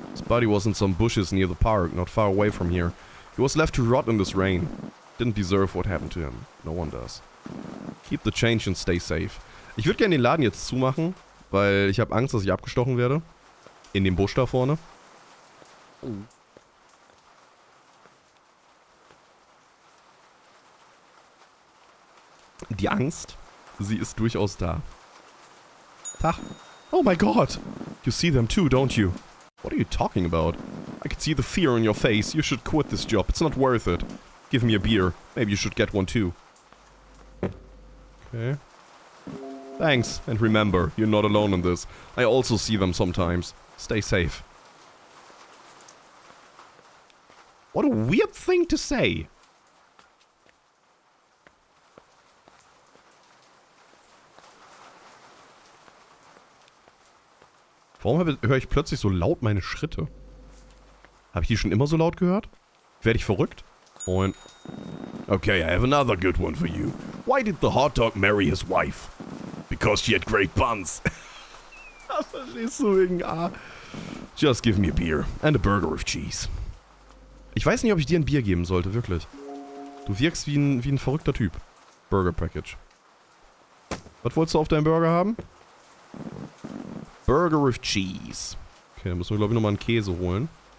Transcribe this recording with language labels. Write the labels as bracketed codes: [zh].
[en] His body was in some bushes near the park, not far away from here. He was left to rot in this rain. Didn't deserve what happened to him. No one does. Keep the change and stay safe. [de] Ich würde gerne den Laden jetzt zumachen, weil ich habe Angst, dass ich abgestochen werde. In dem Busch da vorne. Die Angst, sie ist durchaus da. Tach. [en] Oh my god! You see them too, don't you? What are you talking about? I could see the fear on your face. You should quit this job. It's not worth it. Give me a beer. Maybe you should get one too. Okay. Thanks, and remember, you're not alone in this. I also see them sometimes. Stay safe. What a weird thing to say. [de] Warum höre ich plötzlich so laut meine Schritte? Habe ich die schon immer so laut gehört? Werde ich verrückt? Moin. [en] Okay, I have another good one for you. Why did the hot dog marry his wife? Because she had great buns. [de] Das verstehst du wegen A. [en] Just give me a beer and a burger with cheese. [de] Ich weiß nicht, ob ich dir ein Bier geben sollte, wirklich. Du wirkst wie ein verrückter Typ. Burger Package. Was wolltest du auf deinem Burger haben? [en] Burger with cheese. [de] Okay, dann müssen wir, glaube ich, nochmal einen Käse holen.